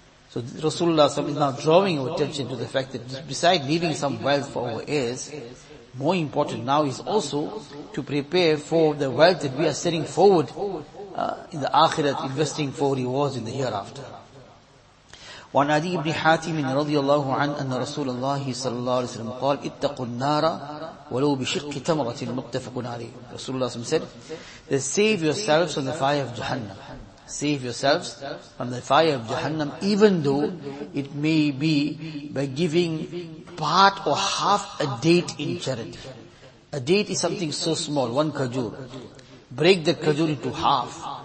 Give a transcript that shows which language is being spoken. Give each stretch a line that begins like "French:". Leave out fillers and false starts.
English: So Rasulullah is now drawing our attention to the fact that besides leaving some wealth for our heirs, more important now is also to prepare for the wealth that we are setting forward in the akhirat, investing for rewards in the hereafter.
Arabic: وعن عدي بن حاتم رضي الله عنه أن رسول الله صلى الله عليه وسلم قال اتقوا النار ولو بشق تمرة متفق عليه.
English: رسول الله said that save yourselves from the fire of Jahannam. Save yourselves from the fire of Jahannam, even though it may be by giving part or half a date in charity. A date is something so small, one khajur. Break the khajur into half.